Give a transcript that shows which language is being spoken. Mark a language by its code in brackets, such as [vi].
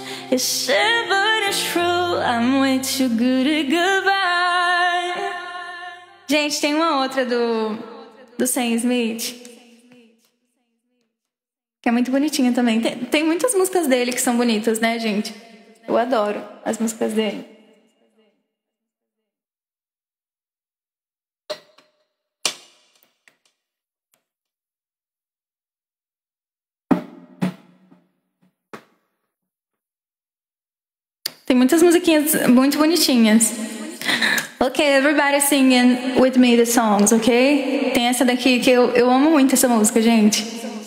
[en] It's ever the truth. I'm way too good at goodbye. [pt] Gente, tem uma outra do Sam Smith que é muito bonitinha também. Tem muitas músicas dele que são bonitas, né, gente? Eu adoro as músicas dele. Tem muitas musiquinhas muito bonitinhas. [en] Ok, everybody singing with me the songs, ok? [pt] Tem essa daqui que eu amo muito essa música, gente.